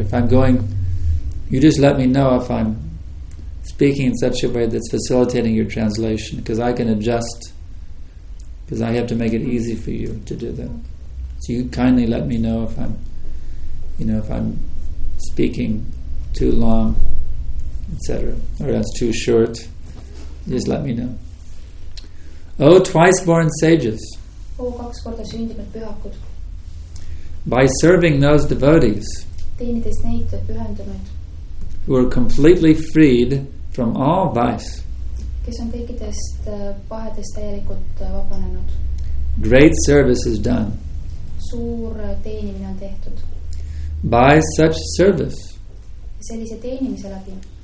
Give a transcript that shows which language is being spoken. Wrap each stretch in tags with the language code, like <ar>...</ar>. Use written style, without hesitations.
<en>If I'm going, you just let me know if I'm speaking in such a way that's facilitating your translation, because I can adjust, because I have to make it easy for you to do that. So you kindly let me know if I'm speaking too long, etc., or that's too short. Just let me know. Oh, twice-born sages.</en> <et>Oh, kaks korda sündinud pühakud.</et> <en>By serving those devotees who are completely freed from all vice,</en> <et>kes on kõikidest pahedest täielikult vabanenud,</et> <en>great service is done.</en> <et>Suur teenimine on tehtud.</et> <en>By such service,</en> <et>sellise teenimise läbi,</et>